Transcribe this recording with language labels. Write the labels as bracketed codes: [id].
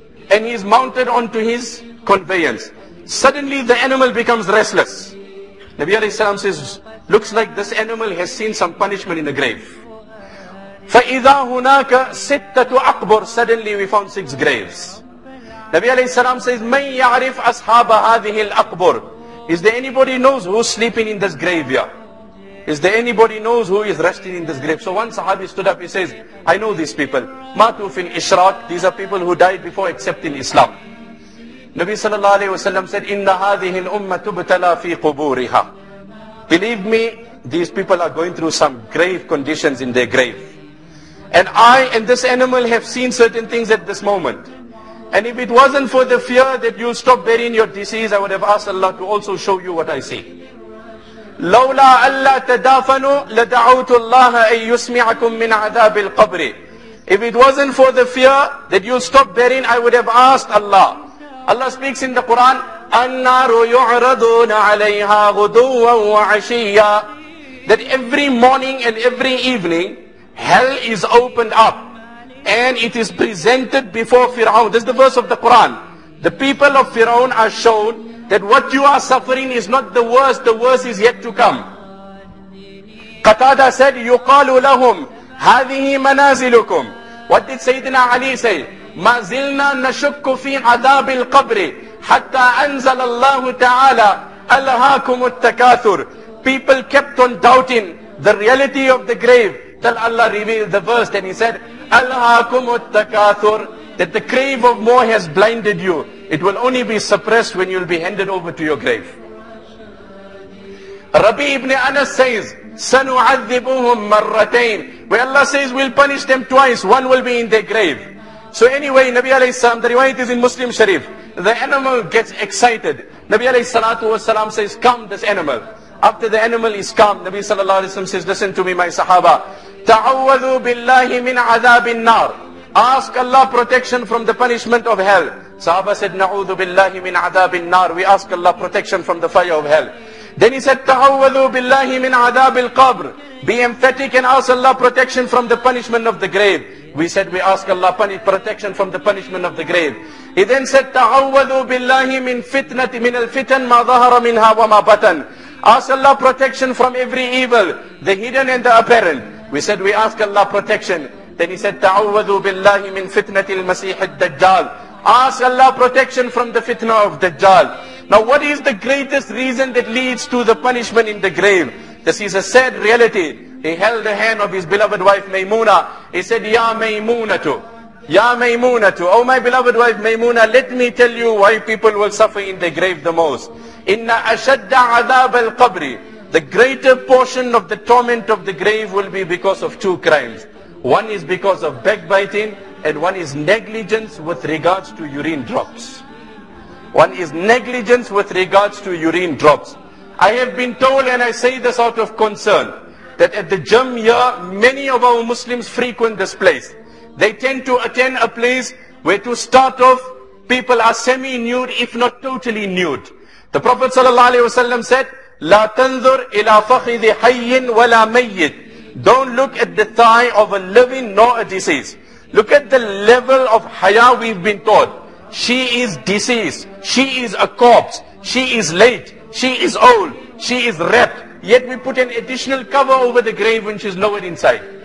[en] And he's mounted onto his conveyance. Suddenly the animal becomes restless. Nabi alayhi salam says, looks like this animal has seen some punishment in the grave. [ar] فَإِذَا هُنَاكَ سِتَّةُ أَقْبُرْ. [en] Suddenly we found six graves. Nabi alayhi salam says, [ar] مَنْ يَعْرِفْ أَصْحَابَ هَذِهِ الْأَقْبُرِ. [en] Is there anybody knows who's sleeping in this graveyard? Is there anybody knows who is resting in this grave? So one sahabi stood up, he says, I know these people. [ar] مَاتُوا فِي الْإِشْرَاكِ. [en] These are people who died before accepting Islam. Nabi sallallahu alayhi wasallam said, [ar] إِنَّ هَذِهِ الْأُمَّةُ تُبْتَلَى فِي قُبُورِهَا. [en] Believe me, these people are going through some grave conditions in their grave. And I and this animal have seen certain things at this moment. And if it wasn't for the fear that you stop burying your disease, I would have asked Allah to also show you what I see. [ar] لَوْلَا أَلَّا تَدَافَنُوا لَدَعَوْتُ اللَّهَ أَن يُسْمِعَكُم مِّنْ عَذَابِ الْقَبْرِ. [en] If it wasn't for the fear that you stop burying, I would have asked Allah. Allah speaks in the Quran, [ar] النار يعرضون عليها غدوا وعشيا. [en] That every morning and every evening, hell is opened up and it is presented before Fir'aun. This is the verse of the Quran. The people of Fir'aun are shown that what you are suffering is not the worst, the worst is yet to come. Qatada said, [ar] يُقَالُ لَهُمْ هَذِهِ مَنَازِلُكُمْ. [en] What did Sayyidina Ali say? [ar] مَا زِلْنَا نَشُكُّ فِي عَذَابِ الْقَبْرِ حَتَّى أَنزَلَ اللَّهُ تَعَالَى أَلْهَاكُمُ التَّكَاثُرِ. [en] People kept on doubting the reality of the grave till Allah revealed the verse, and he said, [ar] أَلْهَاكُمُ التَّكَاثُرِ. [en] That the grave of more has blinded you. It will only be suppressed when you'll be handed over to your grave. Rabi ibn Anas says, [ar] سَنُعَذِّبُهُمْ مَرَّتَيْنِ. [en] Where Allah says, we'll punish them twice, one will be in their grave. So anyway, Nabi alayhi salam, the riwayat is in Muslim Sharif. The animal gets excited. Nabi alayhi salatu wasalam says, calm this animal. After the animal is calm, Nabi sallallahu alayhi wasalam says, listen to me, my sahaba. [ar] تَعَوَّذُوا بِاللَّهِ مِنْ عَذَابِ النَّارِ. [en] Ask Allah protection from the punishment of hell. Sahaba said, [ar] نَعُوذُ بِاللَّهِ مِنْ عَذَابِ النَّارِ. [en] We ask Allah protection from the fire of hell. Then he said, [ar] تَعَوَّذُوا بِاللَّهِ مِنْ عَذَابِ الْقَبْرِ. [en] Be emphatic and ask Allah protection from the punishment of the grave. We said, we ask Allah protection from the punishment of the grave. He then said, [ar] تَعَوَّذُوا بِاللَّهِ مِنْ فِتْنَةِ مِنَ الْفِتَنِ مَا ظَهَرَ مِنْهَا وَمَا بَطَنَ. [en] Ask Allah protection from every evil, the hidden and the apparent. We said, we ask Allah protection. Then he said, [ar] تَعَوَّذُوا بِاللَّهِ مِنْ فِتْنَةِ الْمَسِيحِ الدَّجَّالِ. [en] Ask Allah protection from the fitna of Dajjal. Now what is the greatest reason that leads to the punishment in the grave? This is a sad reality. He held the hand of his beloved wife Maymuna. He said, Ya Maymunatu, oh my beloved wife Maymuna, let me tell you why people will suffer in the grave the most. [ar] Inna ashadda adab al qabri. [en] The greater portion of the torment of the grave will be because of two crimes. One is because of backbiting, and one is negligence with regards to urine drops. One is negligence with regards to urine drops. I have been told, and I say this out of concern, that at the Jum year, many of our Muslims frequent this place. They tend to attend a place where to start off, people are semi-nude, if not totally nude. The Prophet ﷺ said, [ar] لا تنظر إلى فخذ حي ولا ميت. [en] Don't look at the thigh of a living nor a deceased. Look at the level of haya we've been taught. She is deceased. She is a corpse. She is late. She is old. She is wrapped. Yet we put an additional cover over the grave when she's nowhere inside.